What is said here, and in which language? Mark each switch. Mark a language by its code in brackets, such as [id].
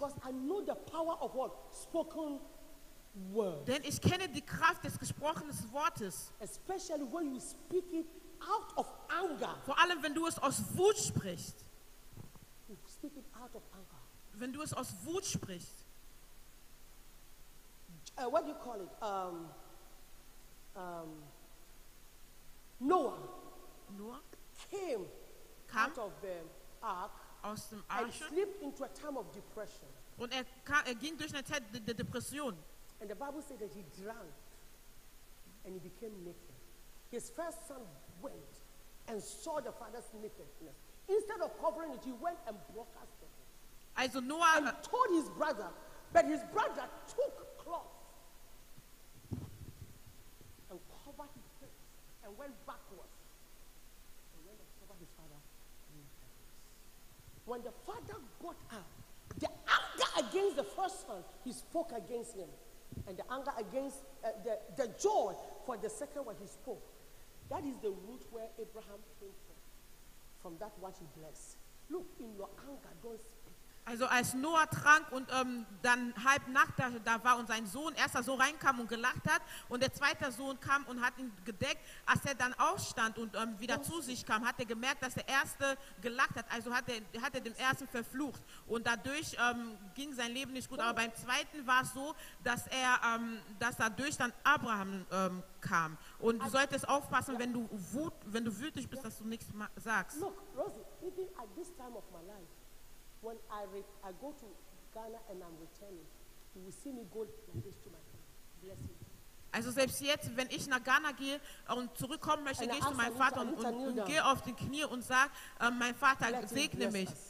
[de] Denn ich kenne die Kraft des gesprochenen Wortes. [en] Especially when you speak it out of anger. [de] Vor allem, wenn du es aus Wut sprichst. [en] You speak it out of anger. [de] Wenn du es aus Wut sprichst. [en] What do you call it? Noah. Noah? Came out of the ark. [de] Aus dem Arsch. [en] And slipped into a time of depression. [de] Und er ging durch eine Zeit der Depression. [en] And the Bible says that he drank and he became naked. His first son went and saw the father's nakedness. Instead of covering it, he went and broadcast it. [de] Also Noah [en] and told his brother, but his brother took cloth and covered his face and went backwards. And went and covered his father's. When the father got up, the anger against the first son, he spoke against him. And the anger against the joy for the second one he spoke. That is the root where Abraham came from that what he blessed. Look, in your anger, don't speak. [de] Also als Noah trank und dann halb Nacht da war und sein Sohn, erster Sohn reinkam und gelacht hat und der zweite Sohn kam und hat ihn gedeckt, als er dann aufstand und wieder zu sich kam, hat er gemerkt, dass der erste gelacht hat, also hat er den ersten verflucht und dadurch ging sein Leben nicht gut, aber beim zweiten war es so, dass er dass dadurch dann Abraham kam und du solltest aufpassen, ja. Wenn du wütig bist, ja. Dass du nichts sagst. [en] Look, Rosie, even at this time of my life, when I go to Ghana and I'm returning, you will see me go like this to my blessing. [de] Also selbst jetzt, wenn ich nach Ghana gehe und zurückkommen möchte, gehe ich zu meinem Vater und gehe auf die Knie und sage, mein Vater, segne mich.